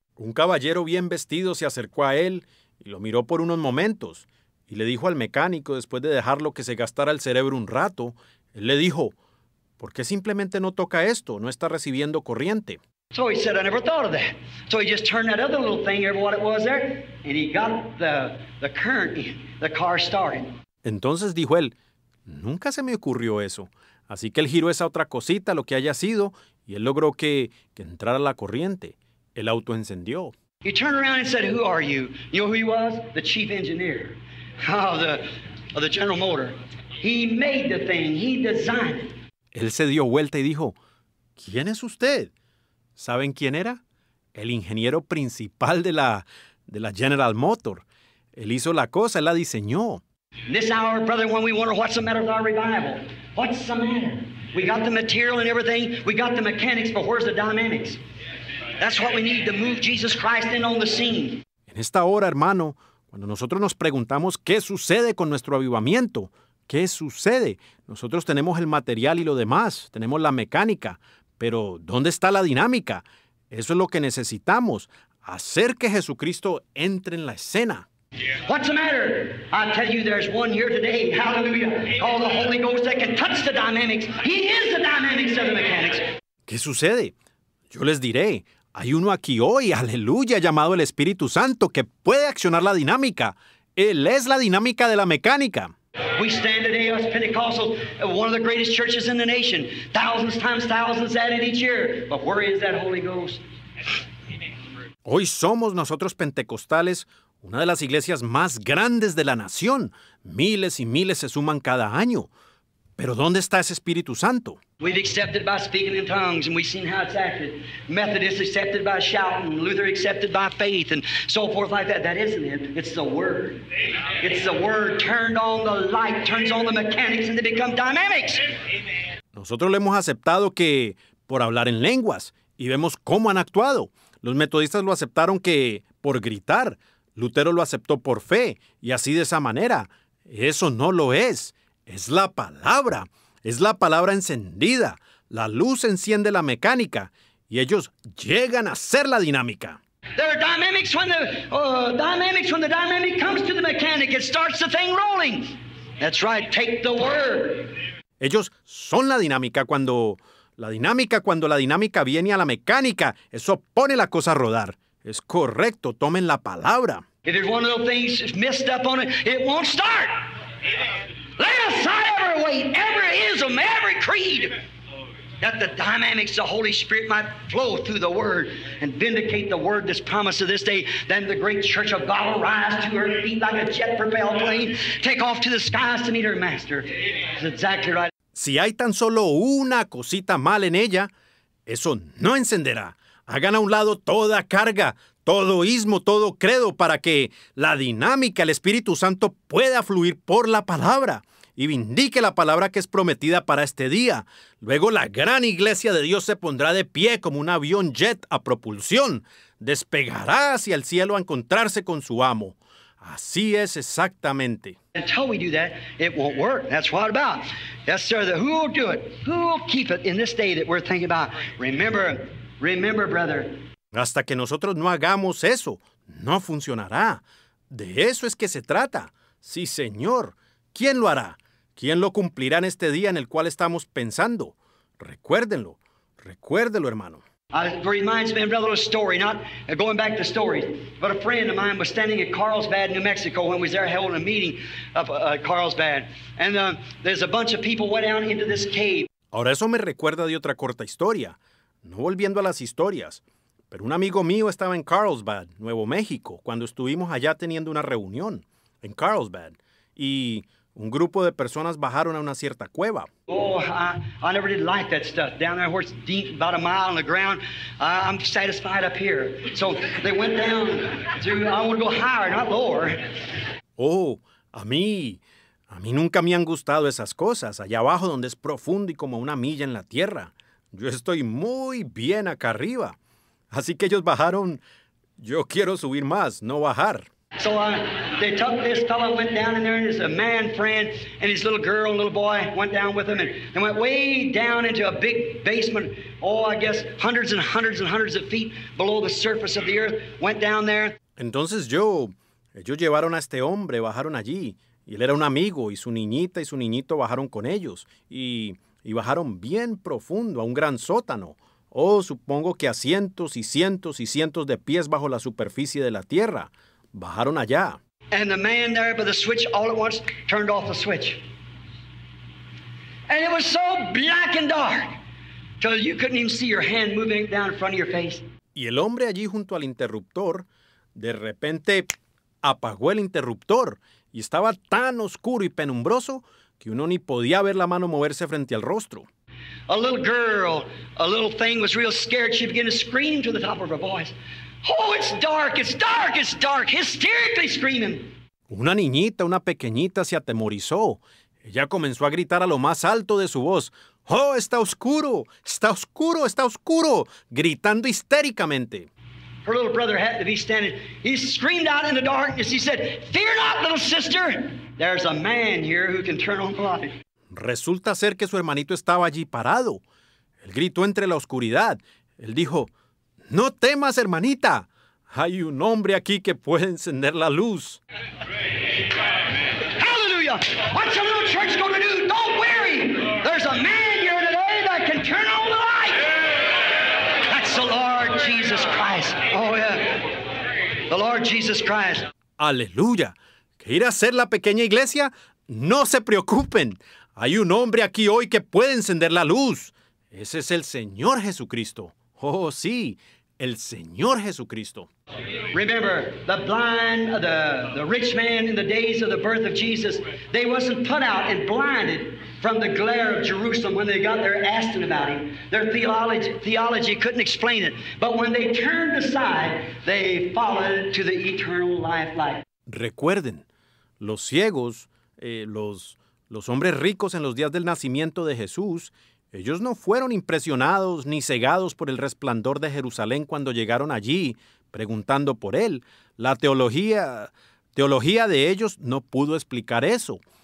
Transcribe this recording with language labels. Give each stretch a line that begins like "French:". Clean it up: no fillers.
Spanish: Un caballero bien vestido se acercó a él y lo miró por unos momentos. Y le dijo al mecánico, después de dejarlo que se gastara el cerebro un rato, él le dijo, ¿por qué simplemente no toca esto? No está recibiendo corriente.
English: So he said, I never thought of that. So he just turned that other little thing, what it was there, and he got the current in. The car started.
Spanish: Entonces dijo él, nunca se me ocurrió eso. Así que él giró esa otra cosita, lo que haya sido, y él logró que entrara la corriente. El auto encendió.
English: He turned around and said, who are you? You know who he was? The chief engineer of the General Motor. He made the thing. He designed it.
Spanish: Él se dio vuelta y dijo, ¿quién es usted? ¿Saben quién era? El ingeniero principal de la General Motor. Él hizo la cosa, él la diseñó.
English: In this hour, brother, when we wonder what's the matter with our revival, what's the matter? We got the material and everything. We got the mechanics, but where's the dynamics? That's what we need to move Jesus Christ in on the scene.
Spanish: En esta hora, hermano, cuando nosotros nos preguntamos qué sucede con nuestro avivamiento, ¿qué sucede? Nosotros tenemos el material y lo demás, tenemos la mecánica, pero ¿dónde está la dinámica? Eso es lo que necesitamos, hacer que Jesucristo entre en la escena.
English: Yeah. What's the matter? I tell you, there's one here today. Hallelujah. Call the Holy Ghost that can touch the dynamics. He is the dynamics of the mechanics.
Spanish: ¿Qué sucede? Yo les diré, hay uno aquí hoy, aleluya, llamado el Espíritu Santo, que puede accionar la dinámica. Él es la dinámica de la mecánica.
English: We stand today as Pentecostals, one of the greatest churches in the nation. Thousands times thousands added each year. But where is that Holy Ghost?
Spanish: Hoy somos nosotros pentecostales, una de las iglesias más grandes de la nación. Miles y miles se suman cada año. ¿Pero dónde está ese Espíritu Santo?
English: We've accepted by speaking in tongues, and we've seen how it's acted. Methodists accepted by shouting, Luther accepted by faith, and so forth like that. That isn't it. It's the Word. It's the Word turned on the light, turns on the mechanics, and they become dynamics.
Spanish: Nosotros lo hemos aceptado que por hablar en lenguas, y vemos cómo han actuado. Los metodistas lo aceptaron que por gritar. Lutero lo aceptó por fe, y así de esa manera. Eso no lo es. Es la palabra. Es la palabra encendida. La luz enciende la mecánica, y ellos llegan a ser la dinámica.
English: There are dynamics when the dynamic comes to the mechanic. It starts the thing rolling. That's right. Take the Word.
Spanish: Ellos son la dinámica cuando la dinámica viene a la mecánica. Eso pone la cosa a rodar. Es correcto, tomen la palabra.
English: If there's one of those things messed up on it, it won't start. Amen. Lay aside every weight, every ism, every creed. that the dynamics of the Holy Spirit might flow through the Word and vindicate the Word that's promised to this day, then the great church of God will rise to her feet like a jet-propelled plane, take off to the skies to meet her master. That's exactly right.
Spanish: Si hay tan solo una cosita mal en ella, eso no encenderá. Hagan a un lado toda carga, todo ismo, todo credo, para que la dinámica del Espíritu Santo pueda fluir por la palabra y vindique la palabra que es prometida para este día. Luego la gran iglesia de Dios se pondrá de pie como un avión jet a propulsión. Despegará hacia el cielo a encontrarse con su amo. Así es exactamente.
English: Until we do that, it won't work. That's what about. Yes, sir. Who will do it? Who will keep it in this day that we're thinking about? Remember, brother.
Spanish: Hasta que nosotros no hagamos eso, no funcionará. De eso es que se trata. Sí, señor. ¿Quién lo hará? ¿Quién lo cumplirá en este día en el cual estamos pensando? Recuérdenlo. Recuérdelo, hermano.
English: Reminds me of another story, not going back to stories, but a friend of mine was standing at Carlsbad, New Mexico, when we was there holding a meeting of Carlsbad, and there's a bunch of people went out into this cave.
Spanish: Ahora eso me recuerda de otra corta historia, no volviendo a las historias, pero un amigo mío estaba en Carlsbad, Nuevo México, cuando estuvimos allá teniendo una reunión en Carlsbad, y un grupo de personas bajaron a una cierta cueva.
English: Oh, I never did like that stuff. Down there where it's deep, about a mile on the ground. I'm satisfied up here. So they went down to, I want to go higher, not lower.
Spanish: Oh, a mí nunca me han gustado esas cosas. Allá abajo donde es profundo y como una milla en la tierra. Yo estoy muy bien acá arriba. Así que ellos bajaron, yo quiero subir más, no bajar.
English: So they took this fellow, went down in there, and his man friend and his little girl, little boy, went down with him, and went way down into a big basement, oh, I guess hundreds and hundreds and hundreds of feet below the surface of the earth, went down there.
Spanish: Entonces ellos llevaron a este hombre, bajaron allí, y él era un amigo, y su niñito bajaron con ellos, y bajaron bien profundo a un gran sótano. Oh, supongo que a cientos y cientos y cientos de pies bajo la superficie de la tierra. Bajaron allá.
English: And the man there by the switch all at once turned off the switch. And it was so black and dark till you couldn't even see your hand moving down in front of your face.
Spanish: Y el hombre allí junto al interruptor, de repente apagó el interruptor y estaba tan oscuro y penumbroso que uno ni podía ver la mano moverse frente al rostro.
English: A little girl, a little thing was real scared. She began to scream to the top of her voice. Oh, it's dark, it's dark, it's dark, hysterically screaming.
Spanish: Una niñita, una pequeñita, se atemorizó. Ella comenzó a gritar a lo más alto de su voz. Oh, está oscuro, está oscuro, está oscuro, gritando histéricamente.
English: Her little brother had to be standing. He screamed out in the darkness. He said, "Fear not, little sister. There's a man here who can turn on the light."
Spanish: Resulta ser que su hermanito estaba allí parado. Él gritó entre la oscuridad. Él dijo, no temas, hermanita. Hay un hombre aquí que puede encender la luz.
English: Hallelujah. What's a little church going to do? Don't worry. There's a man here today that can turn on the light. That's the Lord Jesus Christ. Oh, yeah. The Lord Jesus Christ.
Spanish: Aleluya. ¿Qué irá a hacer la pequeña iglesia? No se preocupen. Hay un hombre aquí hoy que puede encender la luz. Ese es el Señor Jesucristo. Oh, sí. El Señor Jesucristo.
English: Remember, the blind, the rich man in the days of the birth of Jesus, they wasn't put out and blinded from the glare of Jerusalem when they got there asking about him. Their theology couldn't explain it. But when they turned aside, they followed to the eternal life light.
Spanish: Recuerden, los ciegos, los hombres ricos en los días del nacimiento de Jesús, ellos no fueron impresionados ni cegados por el resplandor de Jerusalén cuando llegaron allí preguntando por él. La teología de ellos no pudo explicar eso.